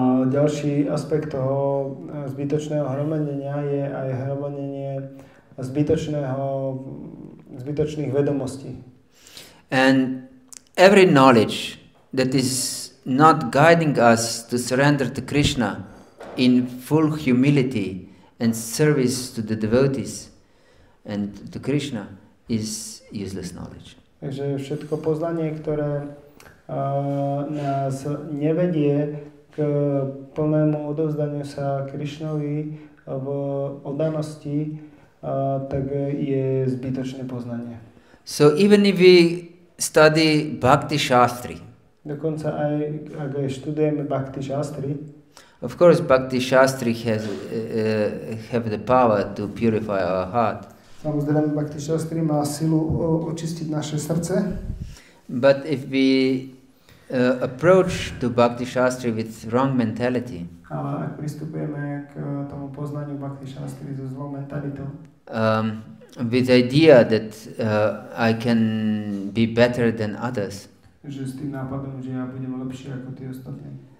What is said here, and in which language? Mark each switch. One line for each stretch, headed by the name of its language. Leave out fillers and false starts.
Slovak: Ďalší aspekt toho zbytočného hromadenia je aj hromadenie zbytočných vedomostí.
English: And every knowledge that is not guiding us to surrender to Krishna in full humility and service to the devotees and to Krishna is useless knowledge.
Slovak: Takže všetko poznanie, ktoré nás nevedie k plnému odovzdaniu sa Krišnovi v oddanosti, tak je zbytočné poznanie.
English: So even if we study bhakti shastri,
Slovak: dokonca aj ak študujeme bhakti shastri,
English: of course bhakti shastri has have the power to purify our heart.
Slovak: Samozrejme bhakti shastri má silu očistiť naše srdce.
English: But if we approach to bhakti shastri with wrong mentality,
Slovak: ale ak pristupujeme k tomu poznaniu bhakti shastri so zlou mentalitou,
English: with idea that I can be better than others,
Slovak: že s tým nápadom, že ja budem lepší ako tí ostatní,